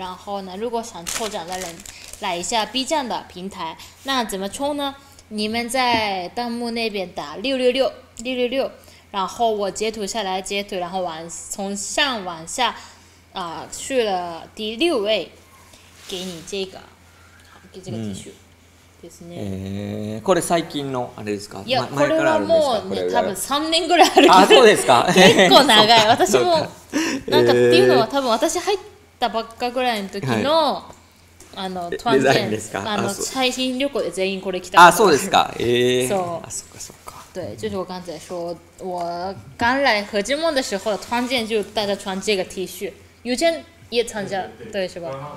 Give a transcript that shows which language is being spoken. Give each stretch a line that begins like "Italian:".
Chinese: 然后呢如果想抽奖的人来一下 B 站的平台那怎么抽呢你们在弹幕那边打666666，然后我截图下来截图，然后从上往下，啊、去了第六位，给你这个，好，给这个 T 恤、嗯，
Japanese: ですね。これ最近のあれですか？いや、これはもう、ね、多分3年ぐらいあるけど。あ、そうですか。結構長い。私もなんかっていうのは多分私入ったばっかぐらいの時の。はいあのデザインですか？あの最新旅行で全員これ着たことあ。あ、そうですか。そう。あ、そうかそうか。
Chinese: 对，就是我刚才说，我刚来合集梦的时候，团建就大家穿这个 T 恤，有钱也参加，对是吧？